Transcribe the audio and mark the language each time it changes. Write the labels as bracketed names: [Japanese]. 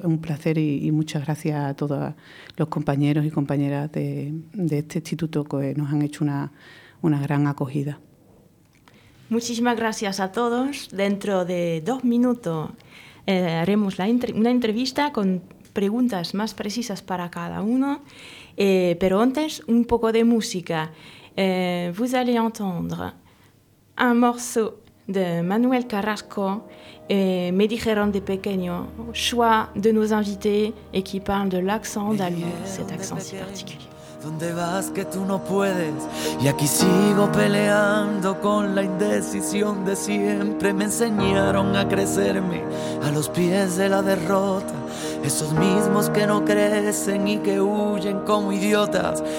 [Spanish] Es un placer y muchas gracias a todos los compañeros y compañeras de este instituto que nos han hecho una gran acogida. Muchísimas gracias a todos. Dentro de 2 minutos haremos una entrevista con preguntas más precisas para cada uno. Pero antes, un poco de música. [French] Vous allez entendre un morceau de Manuel Carrasco, [Spanish] me dijeron de pequeño, [French] choix de nos invités, et qui parle de l'accent d'Alou, cet accent si particulier. [Spanish] ¿Dónde vas que tú no puedes? Y aquí sigo peleando con la indecisión de siempre. Me enseñaron a crecerme a los pies de la derrota. Esos mismos que no crecen y que huyen como idiotas.